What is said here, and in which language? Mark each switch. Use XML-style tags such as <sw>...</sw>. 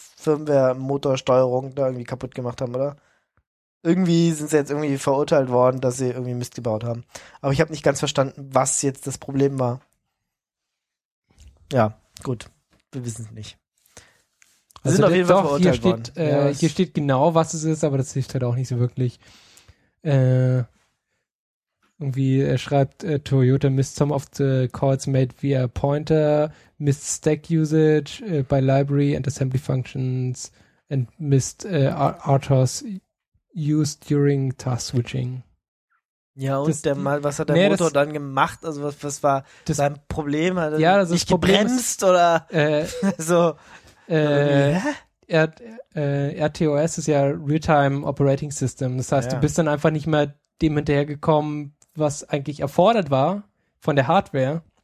<de>Firmware-Motorsteuerung da irgendwie kaputt gemacht haben, oder? Irgendwie sind sie jetzt irgendwie verurteilt worden, dass sie irgendwie Mist gebaut haben. Aber ich habe nicht ganz verstanden, was jetzt das Problem war. Ja, gut. Wir wissen es nicht. Sie also sind auf jeden Fall verurteilt worden. Steht, ja, hier steht genau, was es ist, aber das hilft halt auch nicht so wirklich. Irgendwie, er schreibt,</de> <en>Toyota missed some of the calls made via pointer, missed stack usage by library and assembly functions and missed RTOS used during task switching.</en> <de>Ja, und das, der mal, was hat der Motor das, dann gemacht? Also was war das, sein Problem? Hat er ja, also nicht gebremst ist, oder so? RTOS ist ja Real-Time Operating System. Das heißt, du bist dann einfach nicht mehr dem hinterhergekommen, was eigentlich erfordert war von der Hardware.</de>